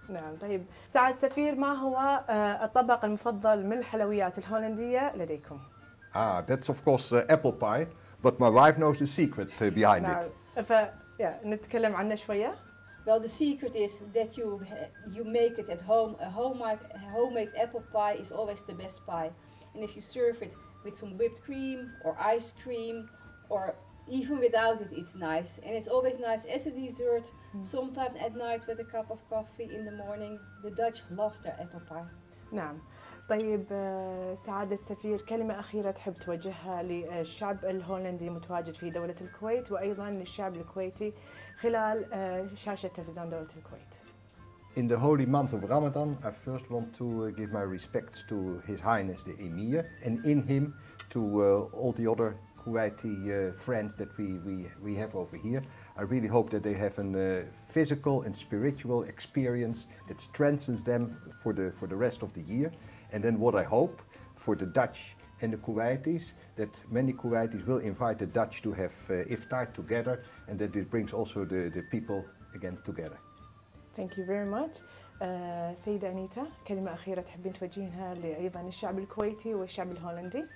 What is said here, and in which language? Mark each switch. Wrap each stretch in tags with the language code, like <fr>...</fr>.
<ar>نعم طيب سعد سفير ما هو الطبق المفضل من الحلويات الهولندية لديكم؟</ar> <en>Ah, that's of course apple pie. But my wife knows the secret behind it.</en> <ar>نتكلم عنه شوية.</ar> <en>Well, the secret is that you make it at home. A homemade apple pie is always the best pie. And if you serve it with some whipped cream or ice cream, or even without it, it's nice. And it's always nice as a dessert, sometimes at night with a cup of coffee in the morning. The Dutch love their apple pie.</en> <ar>نعم. طيب سعادة سفير، كلمة أخيرة تحب توجهها للشعب الهولندي المتواجد في دولة الكويت وأيضا للشعب الكويتي خلال شاشة تلفزيون دولة الكويت.</ar> <en>In the holy month of Ramadan, I first want to give my respects to His Highness the Emir and in him to all the other Kuwaiti friends that we have over here. I really hope that they have a physical and spiritual experience that strengthens them for the rest of the year. And then what I hope for the Dutch and the Kuwaitis, that many Kuwaitis will invite the Dutch to have iftar together and that it brings also the people again together. Thank you very much.</en> <ar>سيدة أنيتا، كلمة أخيرة تحبين توجهينها لأيضاً الشعب الكويتي والشعب الهولندي؟</ar>